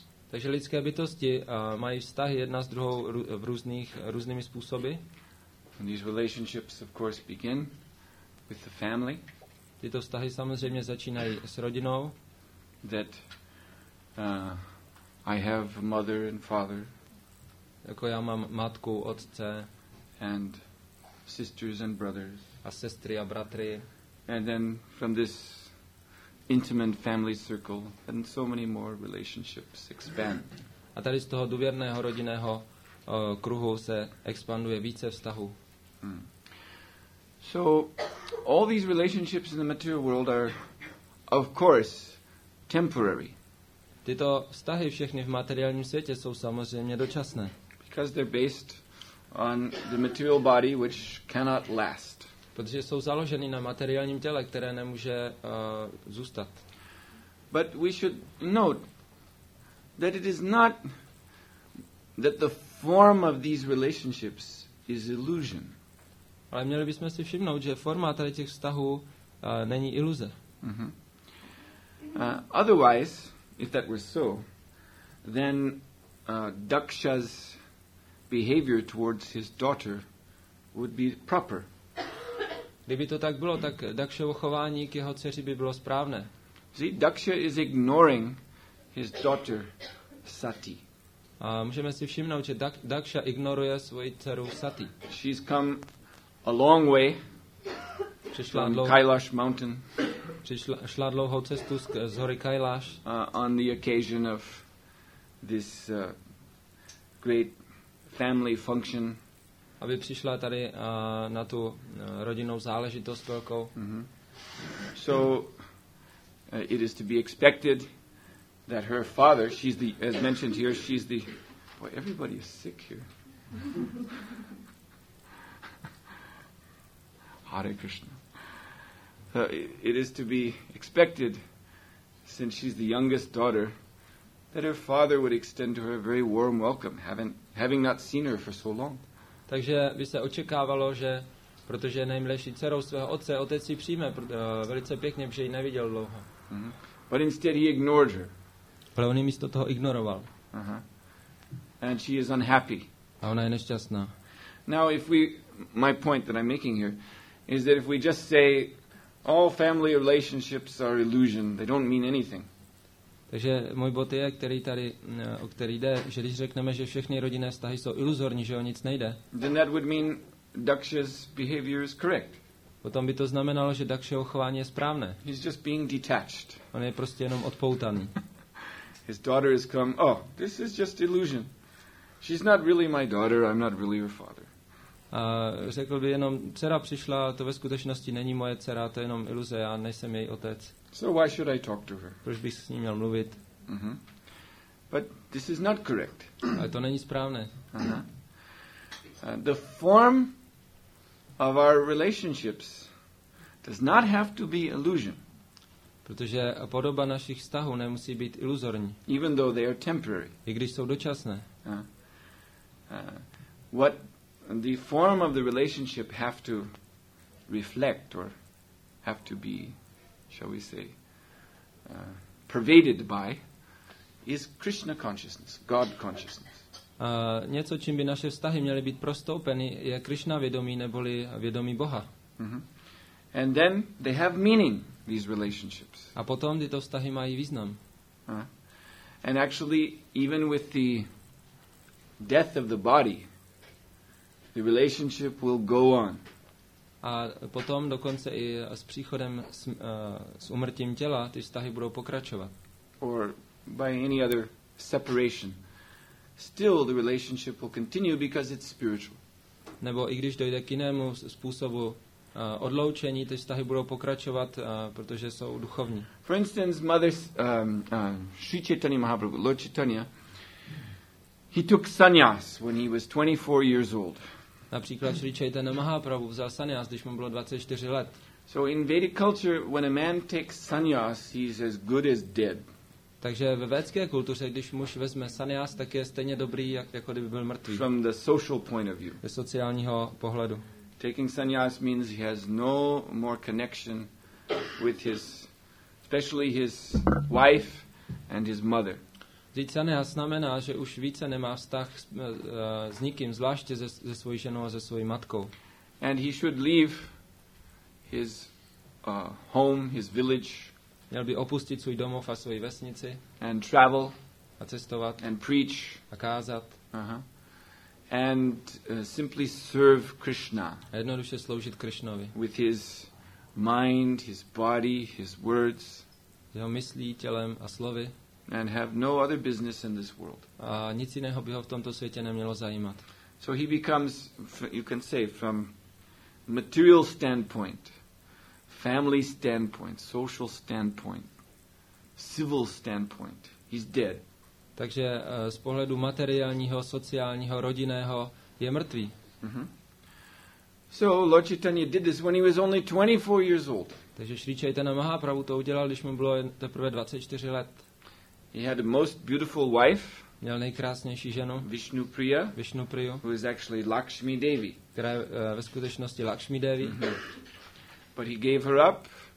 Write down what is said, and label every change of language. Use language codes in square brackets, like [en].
[cs] Takže lidské bytosti mají vztahy jedna s druhou v různými způsoby. [en] And these relationships, of course, begin with the family. [cs] Tyto vztahy samozřejmě začínají s rodinou. [en] That I have a mother and father. [cs] Jako já mám matku, otce. [en] And sisters and brothers. [cs] A sestry a bratry. [en] And then from this intimate family circle, and so many more relationships expand. [cs] A tady z toho důvěrného rodinného kruhu se expanduje více vztahů. Hmm. [en] So all these relationships in the material world are, of course, temporary. [cs] Tyto vztahy všechny v materiálním světě jsou samozřejmě dočasné. [en] Because they're based on the material body, which cannot last. [cs] Protože jsou založeny na materiálním těle, které nemůže zůstat. [en] But we should note that it is not that the form of these relationships is illusion. [cs] Ale měli bychom si všimnout, že forma tady těch vztahů není iluze. [en] Otherwise, if that were so, then Daksha's behavior towards his daughter would be proper. [cs] Kdyby to tak bylo, tak Dakšovo chování k jeho dceři by bylo správné. [en] See, Daksha is ignoring his daughter Sati. [cs] A můžeme si všimnout, že Daksha ignoruje svoji dceru Sati. [en] She's come a long way. [cs] Přišla [en] from Kailash Mountain. [cs] Přišla dlouhou cestu z hory Kailash. [en] On the occasion of this great family function. [cs] Aby přišla tady na tu rodinnou záležitost velkou. [en] So it is to be expected that her father, she's the, as mentioned here, she's the, boy, everybody is sick here. Hare Krishna. It is to be expected, since she's the youngest daughter, that her father would extend to her a very warm welcome, having not seen her for so long. [cs] Takže by se očekávalo, že protože je nejmladší dcerou svého otce, otec ji přijme velice pěkně, protože ji neviděl dlouho. [en] But instead he ignored her. [cs] Ale on ji místo toho ignoroval. [en] And she is unhappy. [cs] A ona je nešťastná. [en] Now if we, my point that I'm making here, is that if we just say All family relationships are illusion. They don't mean anything. [cs] Takže můj bod je, který tady, o který jde, že když řekneme, že všechny rodinné vztahy jsou iluzorní, že o nic nejde. [en] Then that would mean Daksha's behavior is correct. [cs] Potom by to znamenalo, že Dakšeho chování je správné. [en] He's just being detached. [cs] On je prostě jenom odpoutaný. [en] His daughter has come. Oh, this is just illusion. She's not really my daughter. I'm not really her father. [cs] A řekl by jenom, dcera přišla, to ve skutečnosti není moje dcera, to je jenom iluze, já nejsem její otec. [en] So why should I talk to her? [cs] Proč bych s ní měl mluvit? [en] Mm-hmm. But this is not correct. [cs] Ale to není správné. [en] The form of our relationships does not have to be illusion. [cs] Protože podoba našich vztahů nemusí být iluzorní. [en] Even though they are temporary. [cs] I když jsou dočasné. [en] What the form of the relationship have to reflect or have to be, shall we say, pervaded by is Krishna consciousness, God consciousness. [cs] Něco, čím by naše vztahy měly být prostoupeny, je Krishna vědomí neboli vědomí Boha. [en] Mm-hmm. And then they have meaning, these relationships. [cs] A potom tyto vztahy mají význam. [en] And actually, even with the death of the body, the relationship will go on. [cs] A potom dokonce i s příchodem s úmrtím těla ty vztahy budou pokračovat. [en] Or by any other separation, still the relationship will continue because it's spiritual. [cs] Nebo i když dojde k jinému způsobu odloučení, ty vztahy budou pokračovat, protože jsou duchovní. [en] For instance, mother Sri Chaitanya Mahaprabhu, Lord Chaitanya, he took sannyas when he was 24 years old. [cs] Například Sri Chaitanya Mahaprabhu vzal sannyas, když mu bylo 24 let. [en] So in Vedic culture, when a man takes sannyas, he's as good as dead. [cs] Takže ve védské kultuře, když muž vezme sannyas, tak je stejně dobrý, jako kdyby byl mrtvý. [en] From the social point of view. [cs] Ze sociálního pohledu. [en] Taking sannyas means he has no more connection with his, especially his wife and his mother. [cs] Vzít sannyas znamená, že už více nemá vztah s nikým, zvláště se svojí ženou a se svojí matkou. [en] And he should leave his home, his village. [cs] Měl by opustit svůj domov a svoji vesnici. [en] And travel. [cs] A cestovat. [en] And preach. [cs] A kázat. [en] And simply serve Krishna. [cs] A jednoduše sloužit Krishnovi. [en] With his mind, his body, his words. [cs] Jeho myslí, tělem a slovy. [en] And have no other business in this world. [cs] A nic jiného by ho v tomto světě nemělo zajímat. [en] So he becomes, you can say, from material standpoint, family standpoint, social standpoint, civil standpoint, he's dead. [cs] Takže z pohledu materiálního, sociálního, rodinného je mrtvý. [en] So Lord Chaitanya did this when he was only 24 years old. [cs] Takže Sri Chaitanya Mahaprabhu to udělal, když mu bylo teprve 24 let. [en] He had a most beautiful wife. [cs] Měl nejkrásnější ženu. [en] Vishnupriya. [cs] Vishnupriyu. [en] Who is actually Lakshmi Devi. [cs] Která je ve skutečnosti Lakshmi Devi. [en] But he gave her up.